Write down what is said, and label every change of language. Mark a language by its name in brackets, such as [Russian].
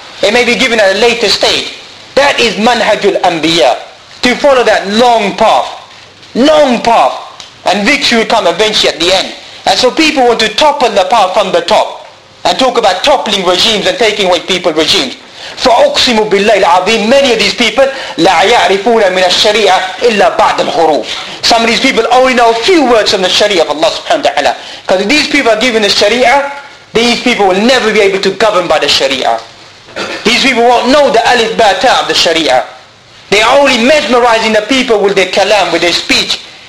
[English] It may be given at a later stage. That is manhajul anbiya. To follow that long path. Long path. And victory will come eventually at the end. And so people want to topple the path from the top. And talk about toppling regimes and taking away people's regimes. [Arabic] فَأُقْسِمُ بِاللَّهِ الْعَظِيمِ. [English] Many of these people, [Arabic] لَا يَعْرِفُونَ مِنَ الشَّرِيعَةِ إِلَّا بَعْدَ الْحُرُوفِ. [English] Some of these people only know a few words from the Sharia of Allah subhanahu wa ta'ala. Because if these people are given the Sharia, these people will never be able to govern by the Sharia. These people won't know the alif ba'ta of the Sharia. They are only mesmerizing the people with their kalam, with their speech.